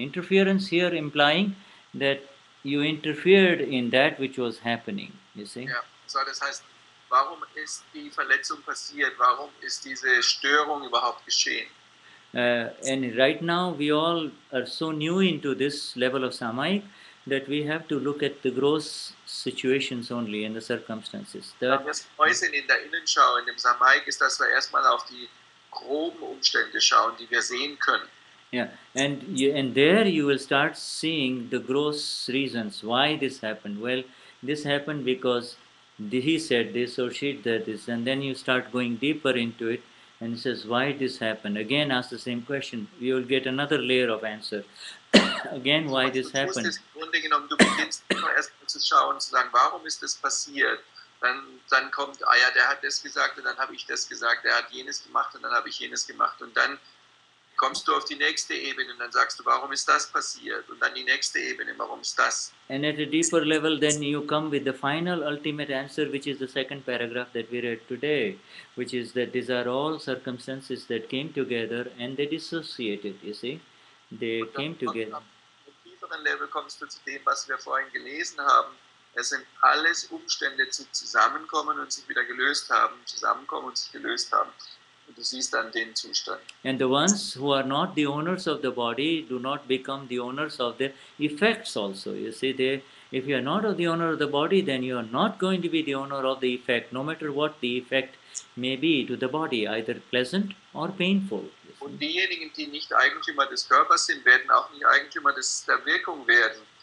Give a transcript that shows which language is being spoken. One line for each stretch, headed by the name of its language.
English: Interference here implying that you interfered in that which was happening, you see? Yeah.
German: So das heißt, warum ist die Verletzung passiert? Warum ist diese Störung überhaupt geschehen?
English: And right now we all are so new into this level of samayik that we have to look at the gross situations only and the circumstances.
German: In der Innenschau, in dem samayik, ist, dass wir erstmal auf die groben Umstände schauen, die wir sehen können.
English: Yeah, and there you will start seeing the gross reasons why this happened. Well, this happened because he said this or she did this, and then you start going deeper into it and it says, why this happened? Again, ask the same question. You will get another layer of answer. Again, why this happened?
German: Du beginnst erst mal zu schauen, zu sagen, warum ist das passiert? dann kommt, ah ja, der hat das gesagt und dann habe ich das gesagt, der hat jenes gemacht und dann habe ich jenes gemacht und dann kommst du auf die nächste Ebene und dann sagst du, warum ist das passiert? Und dann die nächste Ebene, warum ist das?
English: And at a deeper level, then you come with the final ultimate answer, which is the second paragraph that we read today, which is that these are all circumstances that came together and they dissociated, you see? They came together.
German: Auf einem tieferen Level kommst du zu dem, was wir vorhin gelesen haben. Es sind alles Umstände, die zusammenkommen und sich wieder gelöst haben, zusammenkommen und sich gelöst haben. Und du siehst dann den Zustand.
English: And the ones who are not the owners of the body do not become the owners of the effects also. You see, they, if you are not the owner of the body, then you are not going to be the owner of the effect, no matter what the effect may be to the body, either pleasant or painful.
German: Und diejenigen, die nicht Eigentümer des Körpers sind, werden auch nicht Eigentümer der Wirkung werden.